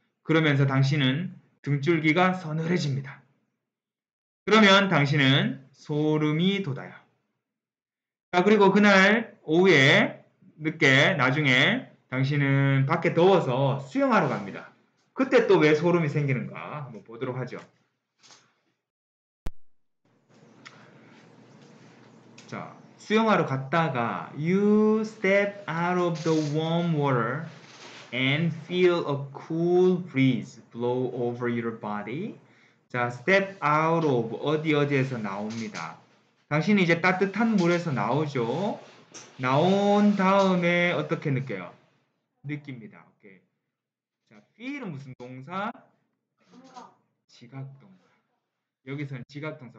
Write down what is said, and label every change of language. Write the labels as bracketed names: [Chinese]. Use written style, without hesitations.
[Korean] 그러면서 당신은 등줄기가 서늘해집니다. 그러면 당신은 소름이 돋아요. 자, 그리고 그날 오후에 늦게 나중에 당신은 밖에 더워서 수영하러 갑니다. 그때 또 왜 소름이 생기는가 한번 보도록 하죠. 자, 수영하러 갔다가 [English] you step out of the warm water and feel a cool breeze blow over your body. [Korean] 자, step out of 어디 어디에서 나옵니다. 당신이 이제 따뜻한 물에서 나오죠. 나온 다음에 어떻게 느껴요? 느낍니다. 오케이. 자, feel은 무슨 동사? 지각 동사. 여기서는 지각 동사.